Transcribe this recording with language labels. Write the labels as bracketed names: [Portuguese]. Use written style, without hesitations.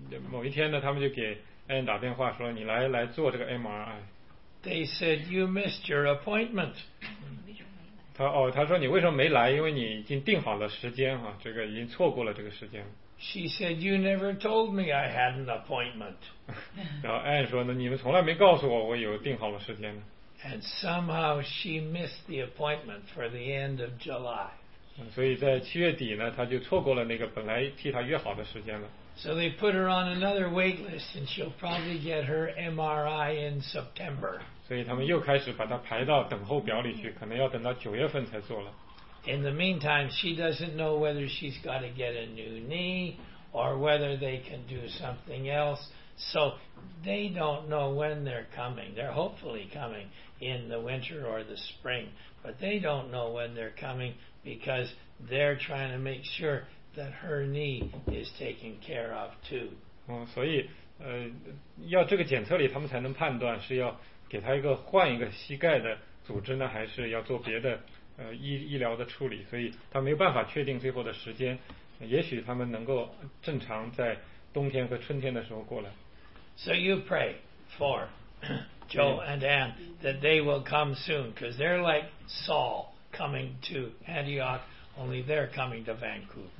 [Chinese] 某一天呢，他们就给 Anne 打电话说，你来做这个 MRI。 [English] They said you missed your appointment. [Chinese] 他说你为什么没来？因为你已经定好了时间哈、啊，这个已经错过了这个时间。 [English] She said you never told me I had an appointment. [Chinese] 然后 Anne 说呢，你们从来没告诉我我有定好了时间呢。 [English] And somehow she missed the appointment for the end of July. [Chinese] 所以在七月底呢，他就错过了那个本来替他约好的时间了。 [English] So they put her on another wait list, and she'll probably get her MRI in September. [Chinese] 所以他们又开始把她排到等候表里去，可能要等到九月份才做了。 [English] In the meantime, she doesn't know whether she's got to get a new knee or whether they can do something else. So they don't know when they're coming. They're hopefully coming in the winter or the spring, but they don't know when they're coming because they're trying to make sure. That her knee is taken care of too. [Chinese] 所以，要这个检测里他们才能判断是要给他一个换一个膝盖的组织呢，还是要做别的医疗的处理。所以他没有办法确定最后的时间。也许他们能够正常在冬天和春天的时候过来。 [English] So you pray for Joe and Anne that they will come soon, because they're like Saul coming to Antioch. Only they're coming to Vancouver.